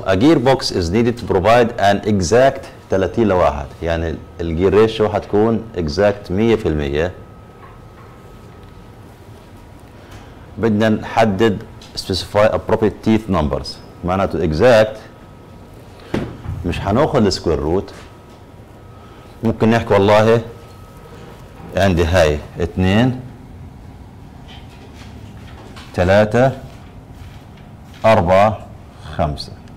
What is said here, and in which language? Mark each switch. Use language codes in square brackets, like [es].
[en] A gearbox is needed to provide an exact 30 [ar] لواحد. يعني الجير ريشيو حتكون exact 100%. بدنا نحدد [en] specify appropriate teeth numbers. [ar] معناته exact مش حناخد square root. ممكن نحكي والله عندي هاي اثنين ثلاثة أربعة خمسة.